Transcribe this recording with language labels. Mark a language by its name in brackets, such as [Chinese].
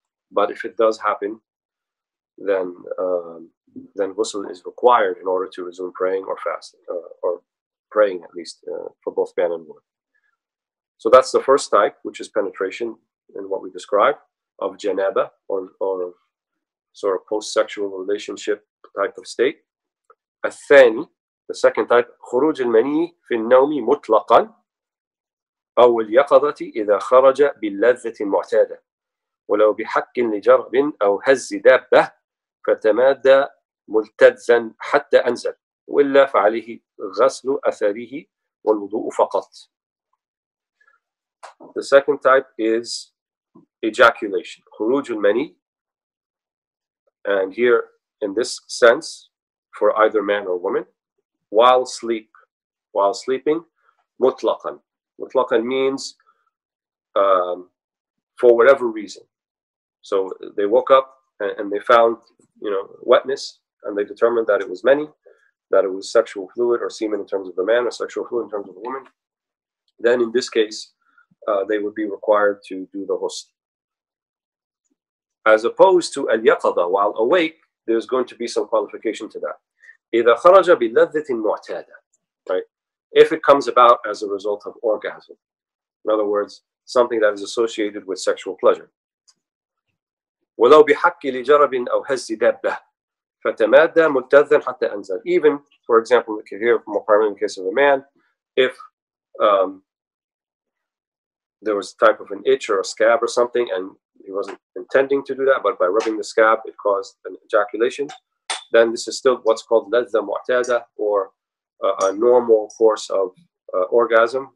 [English] But if it does happen, then ghusl is required in order to resume praying or fast, or praying at least, for both man and woman. So that's the first type, which is penetration, in what we describe, of janaba, or sort of post-sexual relationship type of state. [Arabic] الثاني, [English] the second type, [Arabic] خروج المني في النوم مطلقا أو اليقظة إذا خرج باللذة المعتادة ولو بحق لجرب أو هز دابة فتمادى ملتذا حتى أنزل وإلا فعليه غسل أثره والوضوء فقط. [English] The second type is ejaculation, [Arabic] خروج المني, [English] and here in this sense for either man or woman, while sleeping, mutlaqan. Mutlaqan means for whatever reason. So they woke up and they found, you know, wetness, and they determined that it was many, that it was sexual fluid or semen in terms of the man, or sexual fluid in terms of the woman. Then in this case, they would be required to do the ghusl. As opposed to al-yaqada, while awake, there's going to be some qualification to that. [Arabic] إِذَا خَرَجَ بِلَذَّةٍ مُعْتَادَةٍ, [English] right? If it comes about as a result of orgasm. In other words, something that is associated with sexual pleasure. [Arabic] وَلَوْ بِحَقِّ لِجَرَبٍ أَوْ هَزِّ دَبَّةٍ فَتَمَادَ مُتَذَّنْ حَتَّى أَنْزَلْ. [English] Even, for example, we can hear from a primary case of a man, if there was a type of an itch or a scab or something, and he wasn't intending to do that, but by rubbing the scab, it caused an ejaculation, then this is still what's called ladha mu'tada, or a normal course of orgasm.